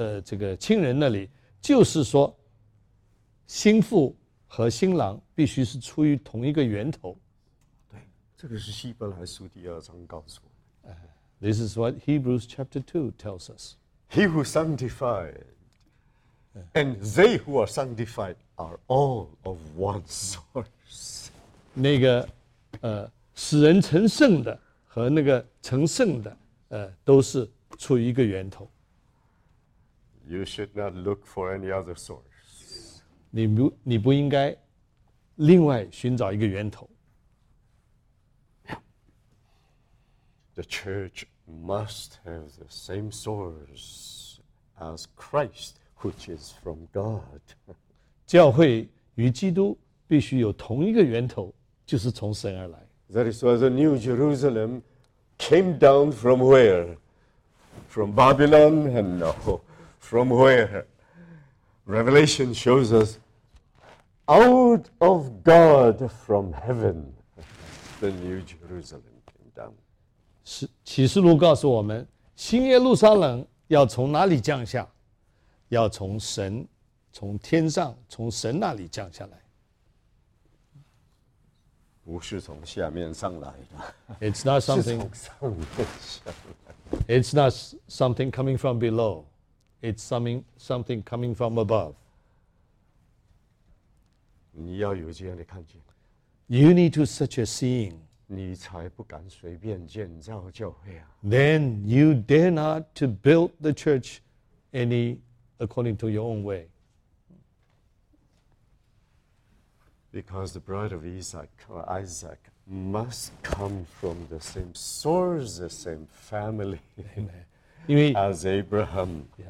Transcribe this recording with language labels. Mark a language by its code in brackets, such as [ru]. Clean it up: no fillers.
[zh] 这个亲人那里，就是说，新妇和新郎必须是出于同一个源头。对，这个是希伯来书第二章告诉我们。 [en] This is what Hebrews chapter 2 tells us. He who sanctified, and they who are sanctified are all of one source. [zh] 那个使人成圣的和那个成圣的都是出于一个源头。 [en] You should not look for any other source. [zh] 你不应该另外寻找一个源头。 [en] The church must have the same source as Christ, which is from God. [zh] 教会与基督必须有同一个源头，就是从神而来。 [en] That is why the New Jerusalem came down from where? from Babylon and from where. Revelation shows us out of God from heaven, the new Jerusalem came down. [zh] 启示录告诉我们, 新耶路撒冷要从哪里降下? 要从神, 从天上, 从神那里降下来。不是从下面上来的, [en] it's not something, [zh] 是从上面下来。 [en] It's not something coming from below. It's something coming from above. [zh] 你要有这样的看见。 [en] You need to such a seeing. [zh] 你才不敢随便建造教会啊。 [en] Then you dare not to build the church any according to your own way. Because the bride of Isaac must come from the same source, the same family as Abraham.